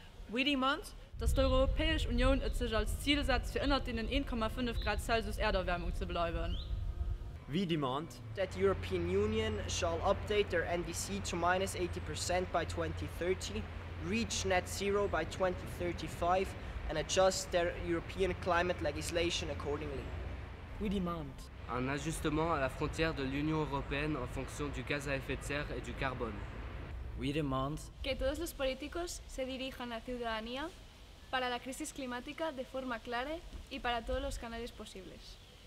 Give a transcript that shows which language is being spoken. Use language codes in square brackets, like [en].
[en] We demand that the European Union itself [de] als Zielsatz für innerhalb den 1,5 Grad Celsius Erderwärmung zu bleiben. [en] We demand that the European Union shall update their NDC to minus 80% by 2030, reach net zero by 2035, and adjust their European climate legislation accordingly. We demand [fr] un ajustement à la frontière de l'Union européenne en fonction du gaz à effet de serre et du carbone. [en] We demand [es] que todos los políticos se dirijan a la ciudadanía para la crisis climática de forma clara y para todos los canales posibles.